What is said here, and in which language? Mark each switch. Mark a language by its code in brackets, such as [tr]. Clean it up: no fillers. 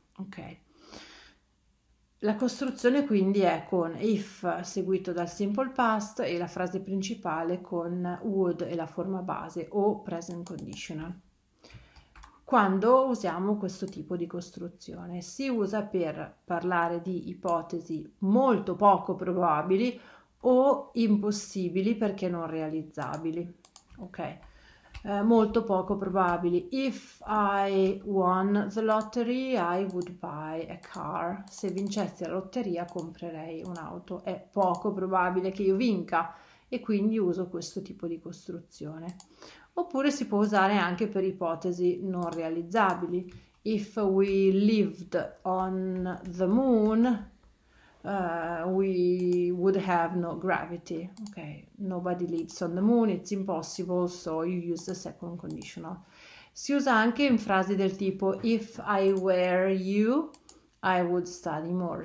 [it] Ok. La costruzione quindi è con if seguito dal simple past e la frase principale con would e la forma base o present conditional. Quando usiamo questo tipo di costruzione? Si usa per parlare di ipotesi molto poco probabili o impossibili perché non realizzabili. Ok. Molto poco probabili. [en] If I won the lottery, I would buy a car. [it] Se vincessi la lotteria, comprerei un'auto. È poco probabile che io vinca e quindi uso questo tipo di costruzione. Oppure si può usare anche per ipotesi non realizzabili. [en] If we lived on the moon, we would have no gravity. Ok, nobody lives on the moon, it's impossible, so you use the second conditional. [it] Si usa anche in frasi del tipo if I were you, I would study more.